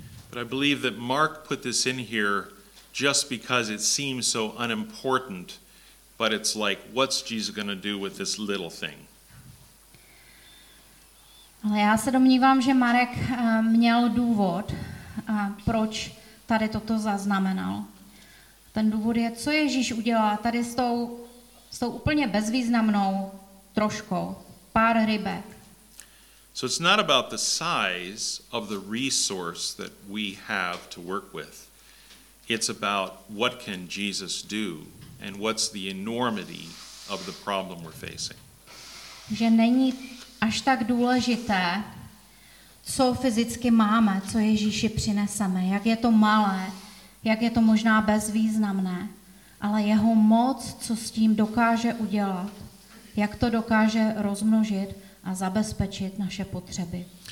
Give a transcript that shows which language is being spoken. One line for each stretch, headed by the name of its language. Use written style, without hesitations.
English: But I believe that Mark put this in here just because it seems so unimportant, but it's like, what's Jesus going to do with this little thing?
Czech: Ale já se domnívám, že Marek měl důvod, proč tady toto zaznamenal. Ten důvod je, co Ježíš udělal tady s tou úplně bezvýznamnou troškou, pár rybek.
English: So it's not about the size of the resource that we have to work with. It's about what can Jesus do and what's the enormity of the problem we're facing.
Czech: Že není až tak důležité, co fyzicky máme, co Ježíši přineseme, jak je to malé, jak je to možná bezvýznamné, ale jeho moc, co s tím dokáže udělat, jak to dokáže rozmnožit a zabezpečit naše potřeby.